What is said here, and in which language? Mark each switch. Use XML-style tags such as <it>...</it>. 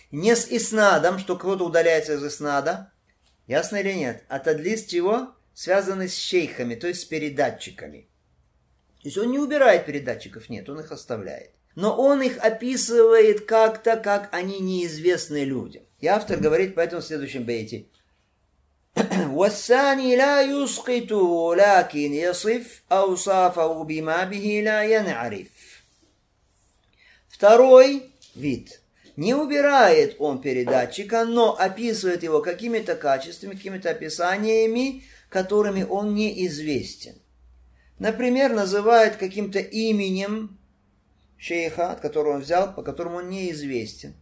<ru>Не с иснадом, что кто-то удаляется из иснада. Ясно или нет? А тадлис чего? Связанный с шейхами, то есть с передатчиками. То есть он не убирает передатчиков, нет, он их оставляет. Но он их описывает как-то, как они неизвестны людям. И автор говорит по этому следующему бейте.</ru> <ar>والثاني لا يسقطه لكن يصف أوصافه بما به لا ينعرف.</ar> <ru>Второй вид. Не убирает он передатчика, но описывает его какими-то качествами, какими-то описаниями, которыми он неизвестен. Например, называет каким-то именем шейха, которого он взял, по которому он неизвестен.</ru>